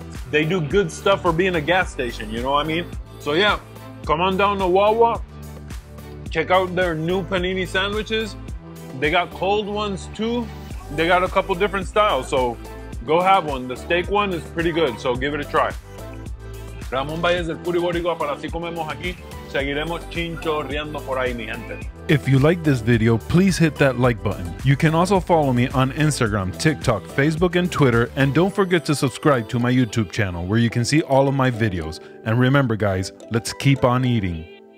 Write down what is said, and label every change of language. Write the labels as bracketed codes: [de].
[en] They do good stuff for being a gas station, you know what I mean? So yeah, come on down to Wawa, check out their new panini sandwiches. They got cold ones too. They got a couple different styles, so go have one. The steak one is pretty good, so give it a try. [es] Ramón Valles del Puri Boricua, para así comemos aquí. Seguiremos chinchorreando por ahí, mi gente. [en] If you like this video, please hit that like button. You can also follow me on Instagram, TikTok, Facebook, and Twitter. And don't forget to subscribe to my YouTube channel where you can see all of my videos. And remember, guys, let's keep on eating.